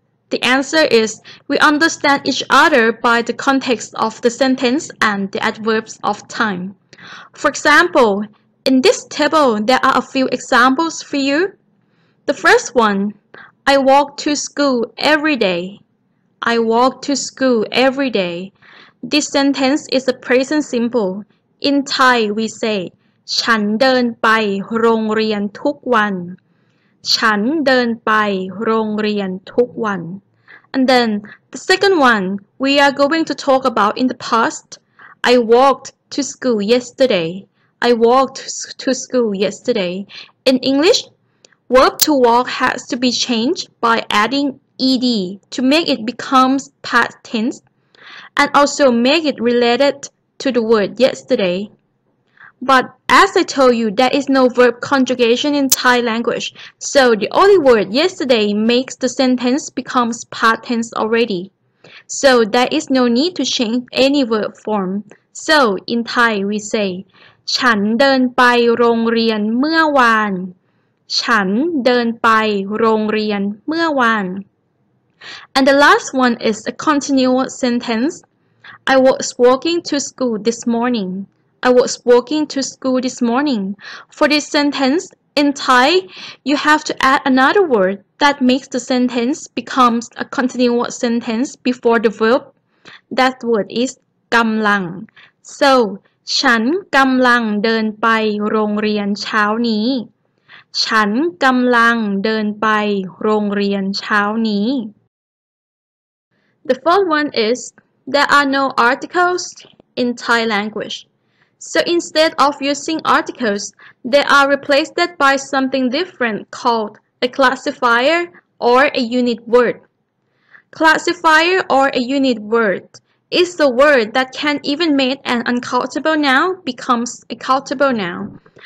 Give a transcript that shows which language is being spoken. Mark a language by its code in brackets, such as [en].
[en] The answer is, we understand each other by the context of the sentence and the adverbs of time. For example, in this table, there are a few examples for you. The first one, I walk to school every day. I walk to school every day. This sentence is a present simple. In Thai, we say, [th] ฉันเดินไปโรงเรียนทุกวัน. ฉันเดินไปโรงเรียนทุกวัน. [en] And then, the second one, we are going to talk about in the past. I walked to school yesterday. I walked to school yesterday. In English, verb to walk has to be changed by adding ed to make it become past tense and also make it related to the word yesterday. But as I told you, there is no verb conjugation in Thai language, so the only word yesterday makes the sentence become past tense already. So there is no need to change any verb form. So in Thai, we say, [th] ฉันเดินไปโรงเรียนเมื่อวาน. ฉันเดินไปโรงเรียนเมื่อวาน. [en] And the last one is a continuous sentence. I was walking to school this morning. I was walking to school this morning. For this sentence, in Thai, you have to add another word that makes the sentence become a continuous sentence before the verb. That word is กำลัง. [th] So, ฉันกำลังเดินไปโรงเรียนเช้านี้. ฉันกำลังเดินไปโรงเรียนเช้านี้. [en] The fourth one is, there are no articles in Thai language. So instead of using articles, they are replaced by something different called a classifier or a unit word. Classifier or a unit word is the word that can even make an uncountable noun become a countable noun.